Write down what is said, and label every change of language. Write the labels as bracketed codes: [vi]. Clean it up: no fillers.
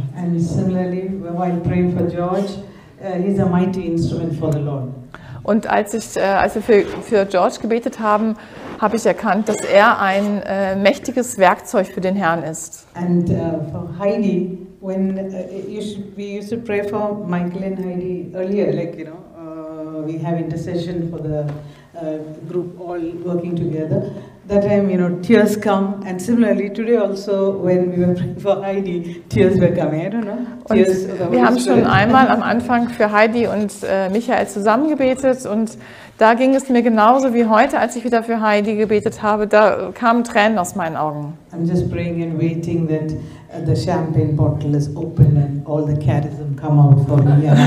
[en] And similarly, while praying for George, he's a mighty instrument for the Lord. [de] Und als wir für George gebetet haben, habe ich erkannt, dass er ein mächtiges Werkzeug für den Herrn ist. [en] And for Heidi, when we used to pray for Michael and Heidi earlier, like, you know, we have intercession for the group all working together. That time, you know, tears come. And similarly, today also, when we were praying for Heidi, tears were coming. I don't know. [de] Und wir haben schon einmal am Anfang für Heidi und Michael zusammen gebetet und da ging es mir genauso wie heute, als ich wieder für Heidi gebetet habe. Da kamen Tränen aus meinen Augen. [en] I'm just praying and waiting that the champagne bottle is open and all the charism come out for me.